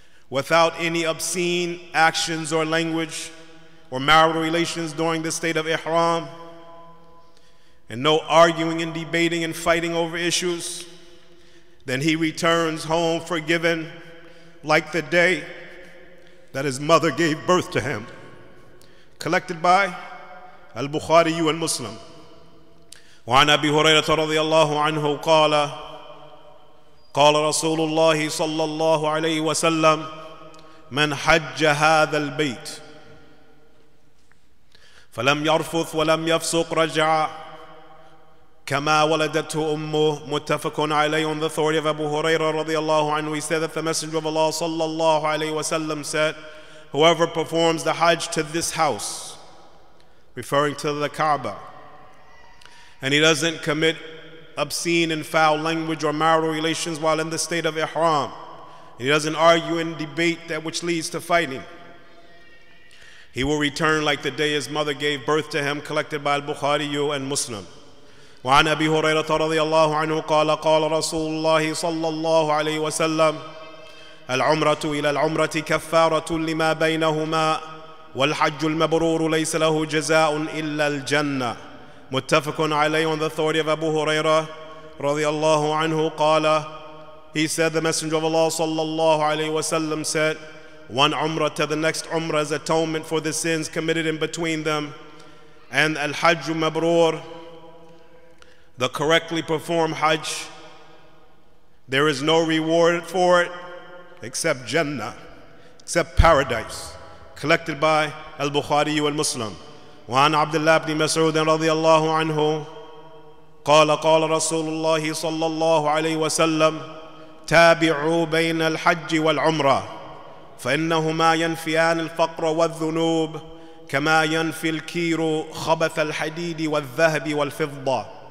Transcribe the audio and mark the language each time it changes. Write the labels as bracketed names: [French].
[English] without any obscene actions or language or marital relations during the state of Ihram, and no arguing and debating and fighting over issues, then he returns home forgiven like the day that his mother gave birth to him. Collected by al-Bukhari and Muslim. [Arabic] وعن أبي هريرة رضي الله عنه قال قال رسول الله صلى الله عليه وسلم من حج هذا البيت فلم يرفث ولم يفسق رجع كما ولدته أمه متفق عليه. [English] On the authority of Abu Huraira رضي الله عنه, he said that the Messenger of Allah صلى الله عليه وسلم said, whoever performs the Hajj to this house, referring to the Kaaba, and he doesn't commit obscene and foul language or marital relations while in the state of Ihram, and he doesn't argue and debate that which leads to fighting, he will return like the day his mother gave birth to him. Collected by al-Bukhari and Muslim. [Arabic] وعن أبي هريرة رضي الله عنه قال قال رسول الله صلى الله عليه وسلم العمرة إلى العمرة كفارة لما بينهما والحج المبرور ليس له جزاء إلا الجنة. متفق عليه. [English] On the authority of Abu Huraira رضي الله عنه قال, he said, the Messenger of Allah صلى الله عليه وسلم said, one umrah to the next umrah is atonement for the sins committed in between them, and al-hajj mabrur, the correctly performed hajj, there is no reward for it except Jannah, except paradise. Collected by al-Bukhari and Muslim. [Arabic] وعن عبد الله بن مسعود رضي الله عنه قال قال رسول الله صلى الله عليه وسلم تابعوا بين الحج والعمرة فإنهما ينفيان الفقر والذنوب كما ينفي الكير خبث الحديد والذهب والفضة.